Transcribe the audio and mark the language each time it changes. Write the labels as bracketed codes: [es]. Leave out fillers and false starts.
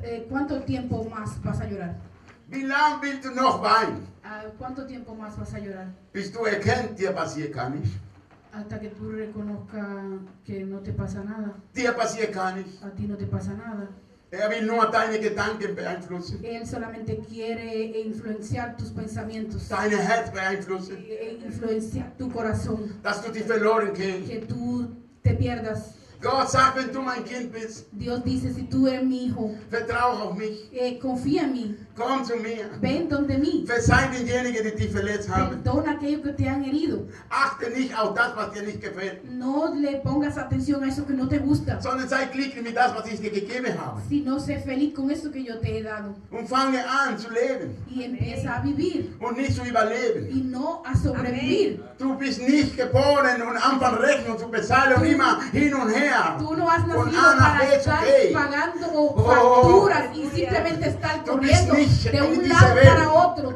[es] ¿Cuánto tiempo más vas a llorar? [de] Wie lange willst du noch weinen? [es] ¿Cuánto tiempo más vas a llorar? [de] Bis du erkennst, dir passiert gar nicht. [es] Hasta que tú reconozcas que no te pasa nada. [de] Dir passiert gar nicht. [es] A ti no te pasa nada. [de] Er will nur deine Gedanken beeinflussen. [es] Él solamente quiere influenciar tus pensamientos. [de] Deine Herz beeinflussen. [es] Influenciar tu corazón. [de] Dass du dich verloren gehst. [es] Que tú te pierdas. [de] Gott sagt, wenn du mein Kind bist. [es] Dios dice, si tú eres mi hijo. [de] Vertrau auf mich. [es] Confía en mí. [de] Komm zu mir. [es] Ven donde mí. [de] Verzeih denjenigen, die dich verletzt haben. [es] Perdona a aquellos que te han herido. [de] Achte nicht auf das, was dir nicht gefällt. [es] No le pongas atención a eso que no te gusta. [de] Sondern sei glücklich mit das, was ich dir gegeben habe. [es] Si no, sé feliz con eso que yo te he dado. [de] Und fange an zu leben. [es] Y empieza a vivir. [de] Und nicht zu überleben. [es] Y no a sobrevivir. Amen. [de] Du bist nicht geboren und anfang Rechnung zu bezahlen und immer hin und her. [es] Tú no has nacido para estar pagando facturas y simplemente estar corriendo de un lado para otro.